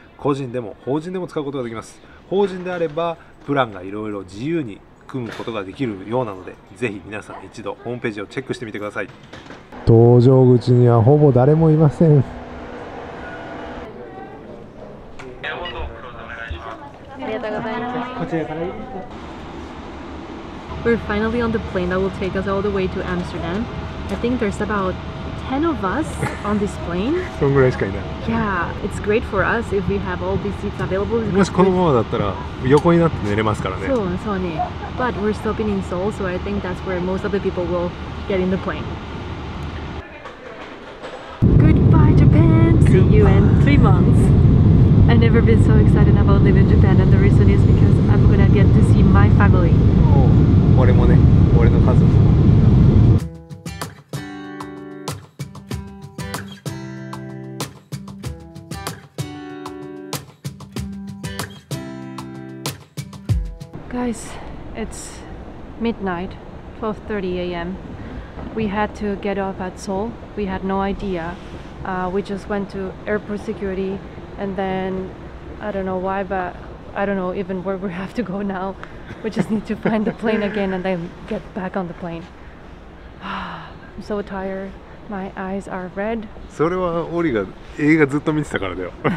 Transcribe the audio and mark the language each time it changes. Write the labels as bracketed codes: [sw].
[ja] 個人でも法人でも使うことができます。法人であればプランがいろいろ自由に組むことができるようなので、ぜひ皆さん一度ホームページをチェックしてみてください。搭乗口にはほぼ誰もいません。ありがとうございます。こちらから。 [en] We're finally on the plane that will take us all the way to Amsterdam. I think there's about 10 of us on this plane. [ja] そんぐらいしかいない。 [en] Yeah, it's great for us if we have all these seats available. [ja] もしこのままだったら横になって寝れますからね。そう、そうね。 [en] But we're stopping in Seoul, so I think that's where most of the people will get in the plane. Goodbye, Japan! See you in 3 months! I've never been so excited about living in Japan, and the reason is because I'm gonna get to see my family. [ja] おう、俺もね、俺の家族も。 [en] Guys, it's midnight, 12:30 a.m. We had to get off at Seoul. We had no idea. We just went to airport security, and then I don't know why, but I don't know even where we have to go now. We just need to find the plane again and then get back on the plane. I'm so tired. My eyes are red. [ja] それはオリが映画ずっと見てたからだよ。